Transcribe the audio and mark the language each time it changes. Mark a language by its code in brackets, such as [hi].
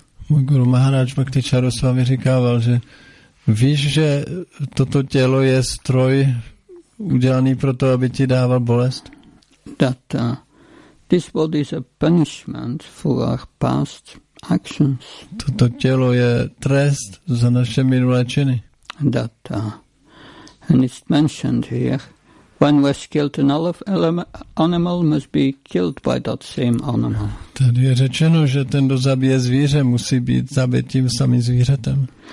[cs] Můj guru Mahārāja Bhakti Charamāc říkával, že víš, že toto tělo je stroj udělaný proto, aby ti dával bolest? [en] That this body is a punishment for our past actions. [cs] Toto tělo je trest za naše minulé činy. [en] That and it's mentioned here, when was killed an animal must be killed by that same animal. [cs] Tady je řečeno, že ten, kdo zabije zvíře, musí být zabit tím samým zvířetem.